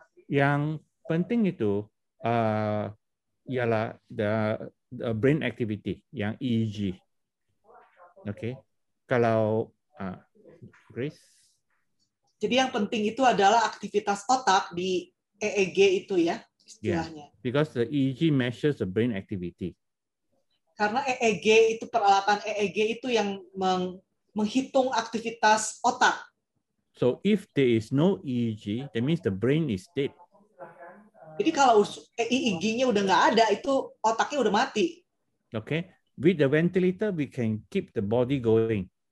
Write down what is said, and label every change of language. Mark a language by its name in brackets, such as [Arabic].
[Indonesian] Yang penting itu ialah [English] the brain activity [Indonesian] yang EEG. Okay. Kalau Grace. Jadi yang penting itu adalah aktivitas otak di EEG itu ya. [English] Yeah, because the EEG measures the brain activity. [Indonesian] Karena EEG itu peralatan EEG itu yang menghitung aktivitas otak. [English] So if there is no EEG, that means the brain is dead. [Indonesian] Jadi kalau EEG-nya udah nggak ada, itu otaknya udah mati. [English] Okay, with the ventilator we can keep the body going.